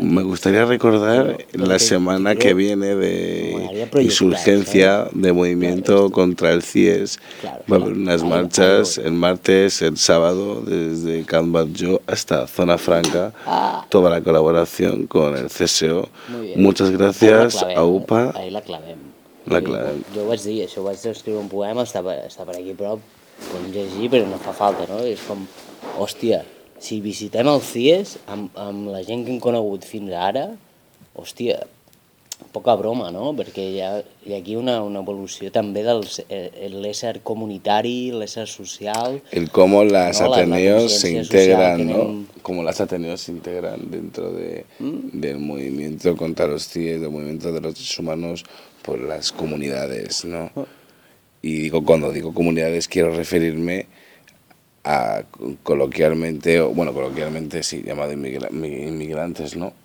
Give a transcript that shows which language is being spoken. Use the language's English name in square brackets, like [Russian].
[Spanish] Me gustaría recordar la semana que viene de insurgencia, ¿sabes?, de movimiento contra el CIES. Claro, va a haber unas marchas el martes, el sábado, desde Can Batlló hasta Zona Franca. Toda la colaboración con el CSO. Muchas gracias a UPA. [Catalan] Ahí la clavem. Yo vaig dir, això, vaig escriure un poema, està per aquí prop. Podem llegir, però no fa falta, no? És com, hòstia, si visitem el CIES amb la gent que hem conegut fins ara, hòstia, poca broma, no? Perquè hi ha aquí una evolució també de l'ésser comunitari, l'ésser social... El com les Ateneos s'integren, no? Com les Ateneos s'integren [Spanish] dentro del movimiento contra los CIES, del movimiento de los derechos humanos por las comunidades, no? Y cuando digo comunidades, quiero referirme a coloquialmente sí, llamado inmigrantes, ¿no?